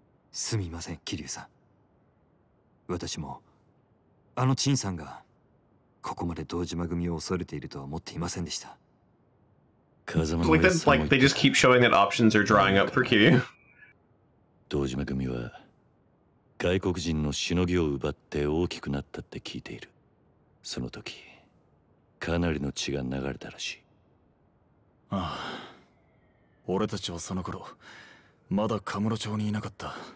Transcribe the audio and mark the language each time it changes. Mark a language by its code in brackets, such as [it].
[ja] すみません、桐生さん。私もあの陳さんがここまで堂島組を恐れているとは思っていませんでした。 [en] They just keep showing that options are drying up for Q. [ja] 堂島組は外国人のしのぎを奪って大きくなったって聞いている。その時、かなりの血が流れたらしい。ああ、俺たちはその頃まだ神室町にいなかった。